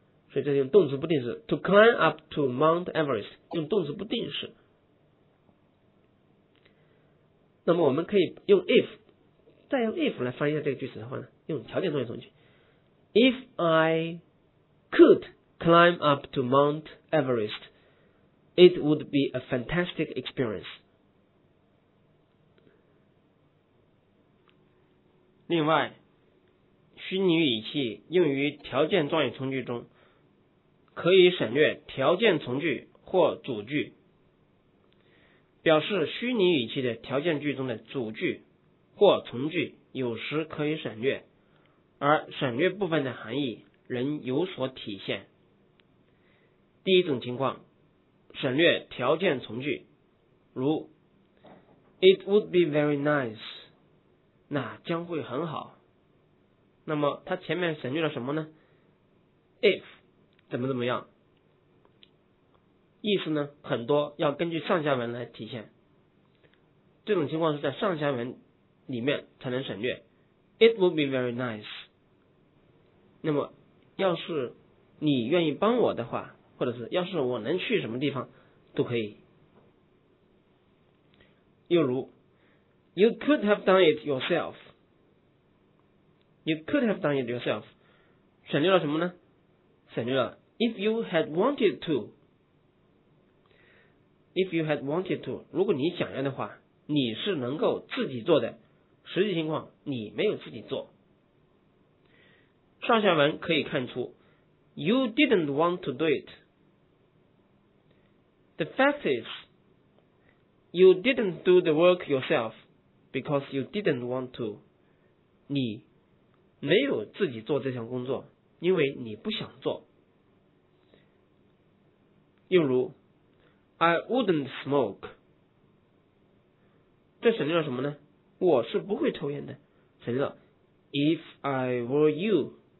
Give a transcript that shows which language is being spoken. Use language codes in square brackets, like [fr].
[zh] 所以这是用动词不定式 [en] to climb up to Mount Everest， [zh] 用动词不定式。那么我们可以用 if， 再用 if 来翻译一下这个句子的话呢，用条件状语从句。 [en] If I could climb up to Mount EverestIt would be a fantastic experience。 [zh] 另外虚拟语气用于条件状语从句中，可以省略条件从句或主句，表示虚拟语气的条件句中的主句或从句有时可以省略，而省略部分的含义仍有所体现。第一种情况，省略条件从句，如 [en] It would be very nice， [zh] 那将会很好。那么它前面省略了什么呢？If 怎么怎么样，意思呢很多要根据上下文来体现。这种情况是在上下文里面才能省略 [en] It would be very nice。 [zh] 那么要是你愿意帮我的话，或者是要是我能去什么地方都可以。又如 [en] You could have done it yourself， You could have done it yourself， [zh] 省略了什么呢？省略了 [en] If you had wanted to， [zh] If you had wanted to， 如果你想要的话，你是能够自己做的，实际情况你没有自己做。上下文可以看出 [en] You didn't want to do itThe fact is, you didn't do the work yourself because you didn't want to. [zh] 你没有自己做这项工作，因为你不想做。又如 [en] I wouldn't smoke. [zh] 这省略了什么呢？我是不会抽烟的。省略了 [en] If I were you.